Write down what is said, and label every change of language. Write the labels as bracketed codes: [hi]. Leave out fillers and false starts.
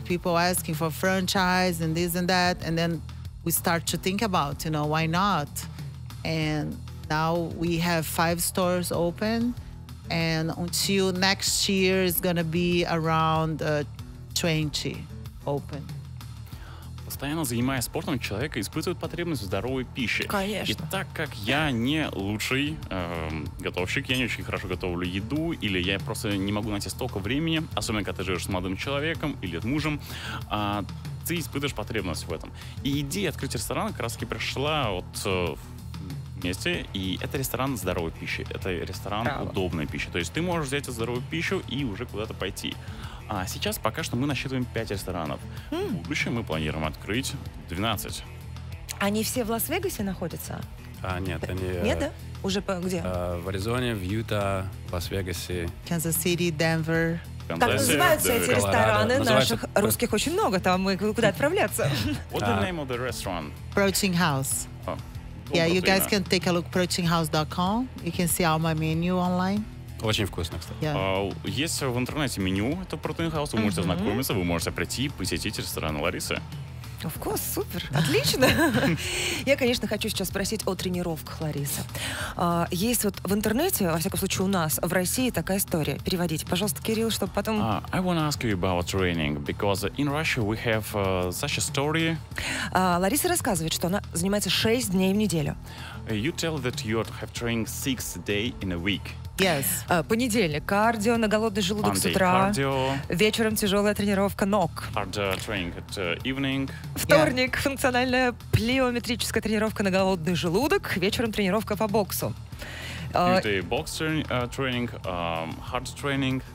[en] People asking for franchise and this and that. And then we start to think about, you know, why not? And now we have 5 stores open. And until next year, it's going to be around 20 open. [ru] Постоянно занимаясь спортом, человек испытывает потребность в здоровой пище. Конечно. И так как я не лучший готовщик, я не очень хорошо готовлю еду, или я просто не могу найти столько времени, особенно когда ты живешь с молодым человеком или с мужем, ты испытываешь потребность в этом. И идея открыть ресторан как раз-таки пришла вот вместе, и это ресторан здоровой пищи, это ресторан удобной пищи. То есть ты можешь взять здоровую пищу и уже куда-то пойти. А сейчас пока что мы насчитываем 5 ресторанов. В будущем мы планируем открыть 12. Они все в Лас-Вегасе находятся? Нет, они... Нет, да? Уже по, где? В Аризоне, в Юта, в Лас-Вегасе. Канзас-Сити, Денвер. Так называются эти рестораны. Наших русских очень много, там куда отправляться. [en] What's the name of the restaurant? Protein House. Yeah, you guys can take a look at proteinhouse.com. You can see all my menu online. [ru] Очень вкусно, кстати. [en] Yeah. [ru] Есть в интернете меню, это Protein House, вы можете ознакомиться, вы можете прийти и посетить ресторан Ларисы. Вкус, супер, отлично. Я, конечно, хочу сейчас спросить о тренировках Ларисы. Есть вот в интернете, во всяком случае у нас, в России, такая история. Переводите, пожалуйста, Кирилл, чтобы потом... [en] I want to ask you about training, because in Russia we have such a story. [ru] Лариса рассказывает, что она занимается 6 дней в неделю. [en] You tell that you have training 6 days in a week. Yes. [ru] Понедельник, кардио, на голодный желудок [en] Monday, [ru] с утра. [en] Cardio. [ru] Вечером тяжелая тренировка ног. [en] Hard training at evening. [ru] Вторник, yeah. Функциональная плиометрическая тренировка на голодный желудок. Вечером тренировка по боксу. [en] Usually box training, hard training.